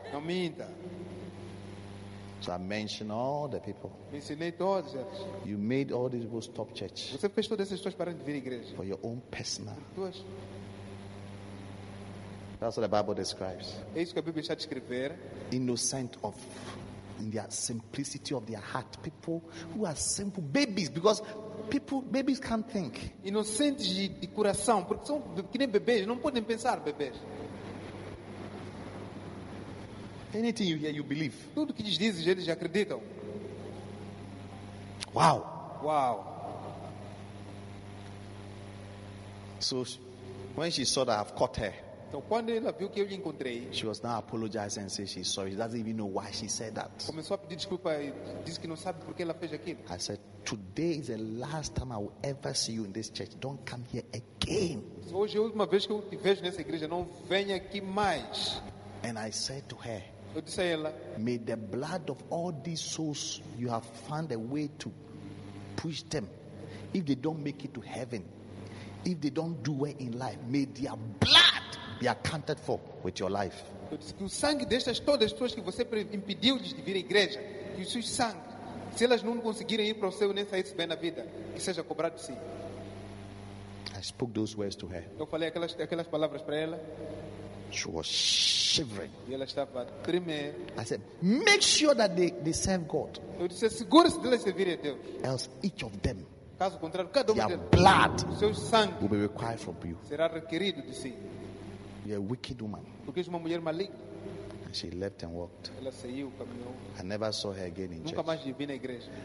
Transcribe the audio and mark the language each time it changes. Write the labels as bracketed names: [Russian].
[Portuguese] Não minta. [English] So I mentioned all the people. [Portuguese] Mencionei todos eles. [English] You made all these people stop church. [Portuguese] Você fez todas essas pessoas pararem de vir à igreja. [English] For your own personal. [Portuguese] Tuas. [English] That's what the Bible describes. [Portuguese] É isso que a Bíblia está a descrever. [English] Innocent of, in their simplicity of their heart, people who are simple babies, because people, babies can't think. [Portuguese] Inocentes de coração, porque são que nem bebês, não podem pensar, bebês. [English] Anything you hear, you believe. [Portuguese] Tudo que dizes, eles acreditam. Wow. Wow. [English] So, when she saw that I've caught her. [Portuguese] Então, quando ela viu que eu lhe encontrei, [English] she was now apologizing and saying she's sorry. She doesn't even know why she said that. [Portuguese] Começou a pedir desculpa e disse que não sabe por que ela fez aquilo. [English] I said, today is the last time I will ever see you in this church. Don't come here again. [Portuguese] Hoje é a última vez que eu te vejo nessa igreja. Não venha aqui mais. [English] And I said to her, [Portuguese] eu disse a ela, [English] may the blood of all these souls, you have found a way to push them. If they don't make it to heaven, if they don't do well in life, may their blood be accounted for with your life. [Portuguese] Eu disse que o sangue destas todas as pessoas que você impediu-lhes de vir à igreja, que o seu sangue, se elas não conseguirem ir para o céu nem sair bem na vida, que seja cobrado sim. [English] I spoke those words to her. [Portuguese] Eu falei aquelas palavras para ela. [English] She was shivering. [Portuguese] E ela estava a tremer. [English] I said, make sure that they serve God. [Portuguese] Eu disse, segure-se de elas servirem a Deus. [English] Else each of them, [Portuguese] caso contrário, cada um [English] their blood, [Portuguese] seu sangue, [English] will be required from you. [Portuguese] Será requerido de si. [English] You're a wicked woman. [Portuguese] Porque é uma mulher maligna. [English] And she left and walked. [Portuguese] Ela saiu, caminhou. [English] I never saw her again in [Portuguese] nunca [English] church. [Portuguese] Nunca mais vi na igreja.